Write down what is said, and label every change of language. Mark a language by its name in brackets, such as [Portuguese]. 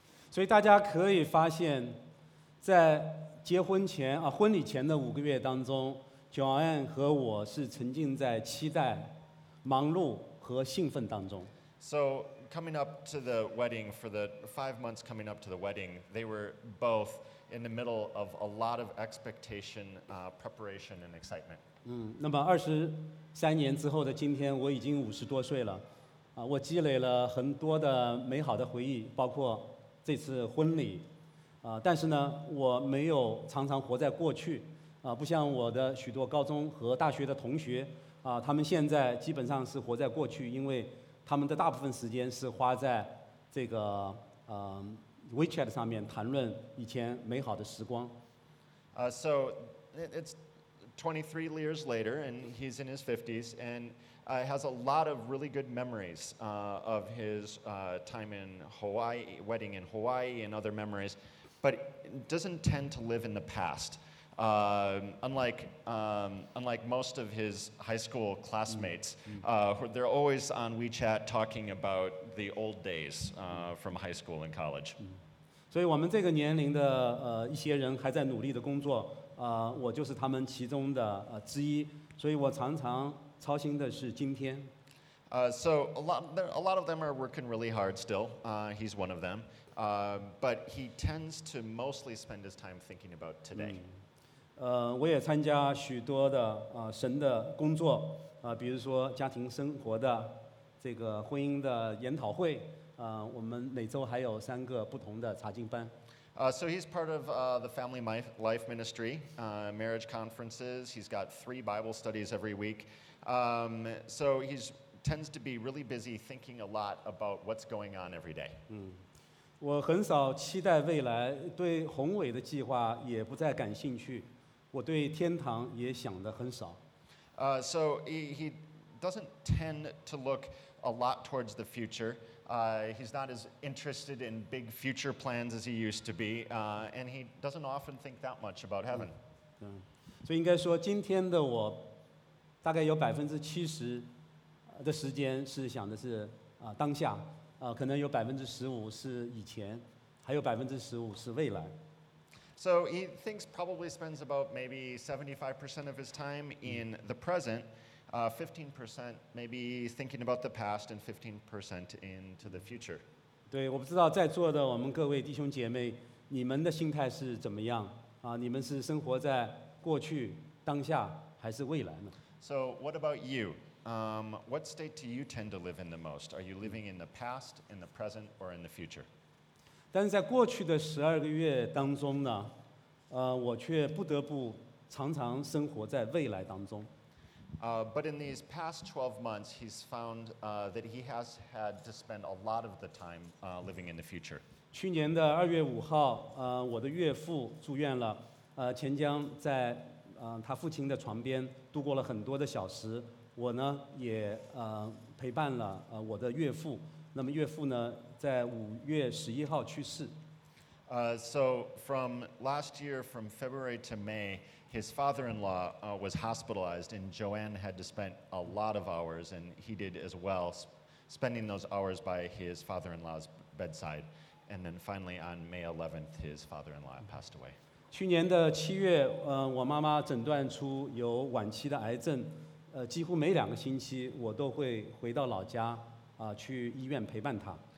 [Chinese] 所以大家可以发现，在结婚前啊婚礼前的五个月当中 ，Joanne 和我是沉浸在期待、忙碌和兴奋当中。 [English] So coming up to the wedding for the 5 months coming up to the wedding, they were both. In the middle of a lot of expectation, preparation, and excitement. [Chinese] 那么二十三年之后的今天，我已经五十多岁了，我积累了很多的美好的回忆，包括这次婚礼，但是呢，我没有常常活在过去，不像我的许多高中和大学的同学，他们现在基本上是活在过去，因为他们的大部分时间是花在这个，WeChat 上面谈论以前美好的时光。 [English] So it's 23 years later, and he's in his 50s, and has a lot of really good memories of his time in Hawaii, wedding in Hawaii, and other memories, but doesn't tend to live in the past. Unlike most of his high school classmates, they're always on WeChat talking about the old days from high school and college. [Chinese] 所以我们这个年龄的一些人还在努力的工作，我就是他们其中的之一。所以我常常操心的是今天。 [English] So a lot of them are working really hard still. He's one of them. But he tends to mostly spend his time thinking about today. [Chinese] 我也参加许多的神的工作，比如说家庭生活的这个婚姻的研讨会。我们每周还有三个不同的查经班。 [English] So he's part of the family life ministry, marriage conferences. He's got 3 Bible studies every week. So he tends to be really busy thinking a lot about what's going on every day. [Chinese] 我很少期待未来，对宏伟的计划也不再感兴趣，我对天堂也想得很少。 [English] So he doesn't tend to look a lot towards the future. He's not as interested in big future plans as he used to be, and he doesn't often think that much about heaven. [Chinese] 所以应该说今天的我大概有70%的时间是想的是当下，可能有15%是以前，还有15%是未来。 [English] So he thinks probably spends about maybe 75% of his time in the present, 15% maybe thinking about the past and 15% into the future. [Chinese] 对，我不知道在座的我们各位弟兄姐妹，你们的心态是怎么样？你们是生活在过去、当下还是未来呢？ [English] So what about you? What state do you tend to live in the most? Are you living in the past, in the present, or in the future? [Chinese] 但是在过去的十二个月当中呢，我却不得不常常生活在未来当中。 [English] But in these past 12 months, he's found that he has had to spend a lot of the time living in the future. [Chinese] 去年的2月5号，我的岳父住院了，钱江在他父亲的床边度过了很多的小时，我呢也陪伴了我的岳父，那么岳父呢在5月11号去世。 [English] So from last year, from February to May, his father-in-law was hospitalized, and Joanne had to spend a lot of hours, and he did as well, spending those hours by his father-in-law's bedside. And then finally, on May 11th, his father-in-law passed away. [Chinese] 去年的七月，我妈妈诊断出有晚期的癌症，几乎每两个星期，我都会回到老家，去医院陪伴她。